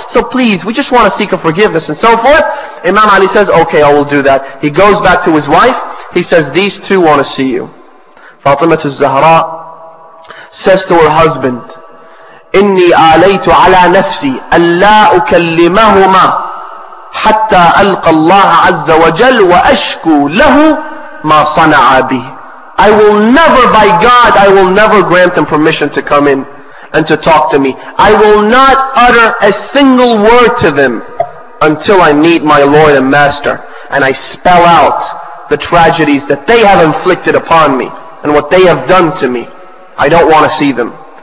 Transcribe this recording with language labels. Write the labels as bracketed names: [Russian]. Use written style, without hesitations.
[English] So please, we just want to seek her forgiveness and so forth. Imam Ali says, okay, I will do that. He goes back to his wife. He says, these two want to see you. Fatima al-Zahra says to her husband, [Arabic] إني آليت على نفسي ألا أكلمهما حتى ألقى الله عز وجل وأشكو له ما صنع به. [English] I will never, by God, I will never grant them permission to come in and to talk to me. I will not utter a single word to them until I meet my Lord and Master and I spell out the tragedies that they have inflicted upon me and what they have done to me. I don't want to see them.